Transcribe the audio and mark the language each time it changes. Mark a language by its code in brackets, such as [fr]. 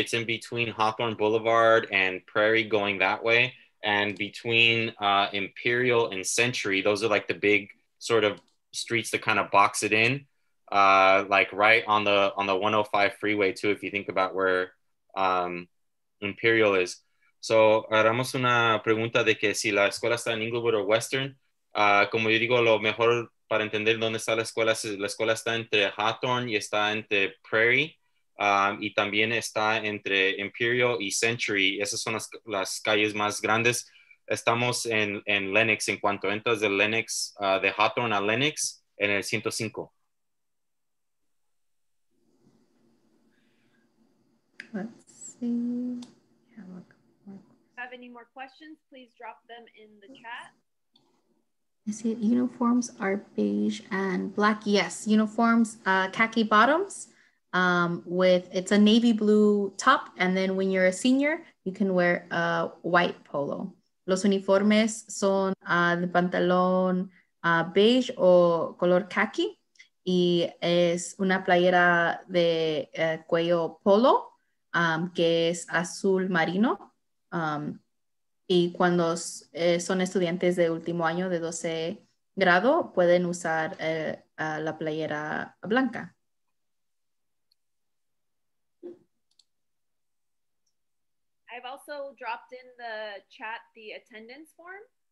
[en] It's in between Hawthorne Boulevard and Prairie going that way and between Imperial and Century. Those are like the big sort of streets to kind of box it in, like right on the 105 freeway too, if you think about where Imperial is. [es] So haremos una pregunta de que si la escuela está en Inglewood o Western. Como yo digo, lo mejor para entender dónde está la escuela está entre Hawthorne y está entre Prairie, y también está entre Imperial y Century. Esas son las calles más grandes. Estamos en Lenox, en cuanto entras de Lenox, de Hawthorne a Lenox, en el 105. [en] Let's see. Have any more questions? Please drop them in the chat. I see uniforms are beige and black. Yes, uniforms, khaki bottoms, it's a navy blue top. And then when you're a senior, you can wear a white polo. [es] Los uniformes son de pantalón beige o color khaki y es una playera de cuello polo que es azul marino. Y cuando son estudiantes de último año de 12 grado pueden usar la playera blanca. [en] I've also dropped in the chat the attendance form.